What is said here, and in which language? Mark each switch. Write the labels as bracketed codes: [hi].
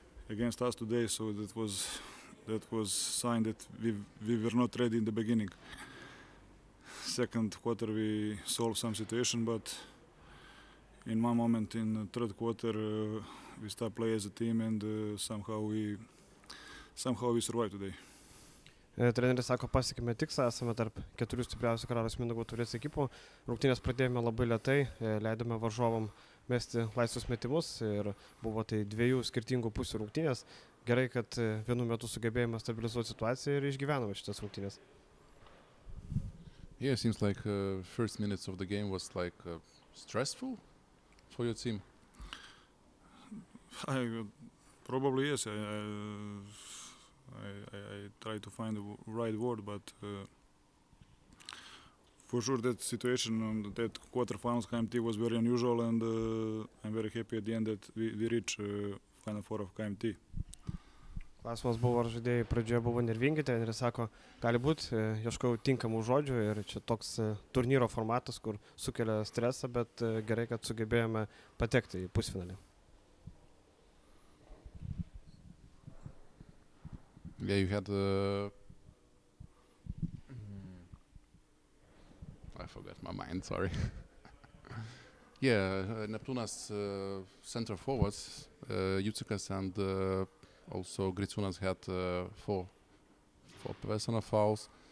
[en] against us today, so that was sign that we were not ready in the beginning. Second quarter we solved some situation, but in one moment in the third quarter we start play as a team and somehow we survived today. [lt] Treneris sako, pasiekime tikslą, esame tarp keturių stipriausių Karaliaus Mindaugo taurės ekipų. Rungtynės pradėjome labai lėtai, leidome varžovom mesti laisvus metimus ir buvo tai dviejų skirtingų pusių rungtynės. Gerai, kad vienu metu sugebėjome stabilizuoti situaciją ir išgyvenome šitas rungtynės. [en] Yeah, it seems like first minutes of the game was like stressful for your team. Probably yes. I try to find the right word, but for sure that situation on that quarterfinals KMT was very unusual, and I'm very happy at the end that we reached final four of KMT. [lt] Klausimas buvo, ar žaidėjai pradžioje buvo nervingi, treneris sako, gali būt, ieškau tinkamų žodžių ir čia toks turnyro formatas, kur sukelia stresą, bet gerai, kad sugebėjome patekti į pusfinalį. [en] Yeah, you had I forgot my mind, sorry. Yeah, Neptūnas center forwards, Jucikas and also Griciūnas had four personal fouls.